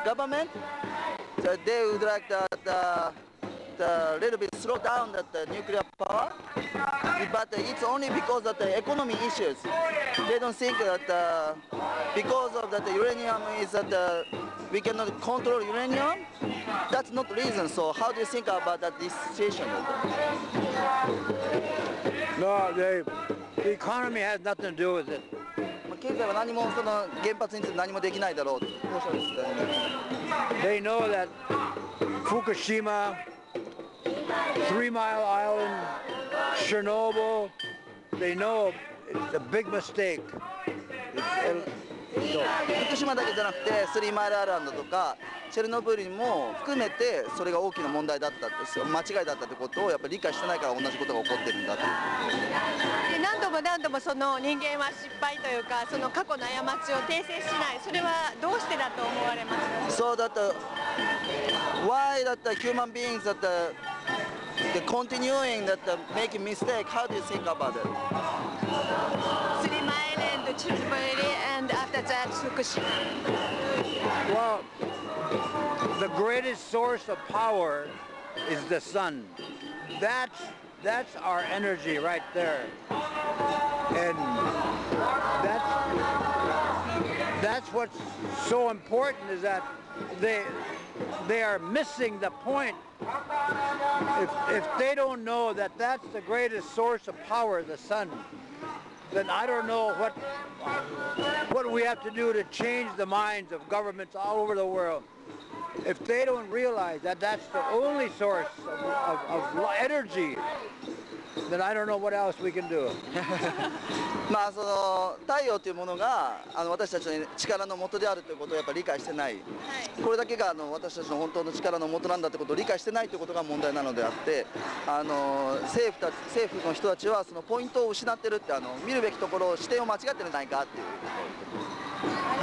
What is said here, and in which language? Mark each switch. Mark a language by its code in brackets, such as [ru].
[en] government they would like that a little bit slow down that the nuclear power but it's only because of the economy issues they don't think that because of that the uranium is that we cannot control uranium that's not reason so how do you think about that this situation no the economy has nothing to do with it. [ja] 経済は何もその原発について何もできないだろうとおっしゃってたよね。 [en] They know that Fukushima, Three Mile Island, Chernobyl, they know it's a big mistake. [ja] 福島だけじゃなくて、Three Mile Island とかチェルノブイリも含めてそれが大きな問題だったんですよ。間違いだったってことをやっぱり理解してないから同じことが起こってるんだと。何度も何度もその人間は失敗というかその過去の過ちを訂正しない。それはどうしてだと思われますか。そうだった。 [en] Why that human beings that the continuing that the making mistake? How do you think about it? Three Mile and Chernobyl and after that Fukushima. Well. The greatest source of power is the sun. That's our energy right there. And that's what's so important is that they are missing the point. If they don't know that that's the greatest source of power, the sun, then I don't know what we have to do to change the minds of governments all over the world. If they don't realize that that's the only source of energy, then I don't know what else we can do. [ja] まあその太陽というものが私たちの力の元であるということをやっぱり理解してない。これだけが私たちの本当の力の元なんだということを理解してないということが問題なのであって、政府の人たちはそのポイントを失ってるって見るべきところ視点を間違ってるんじゃないかっていう。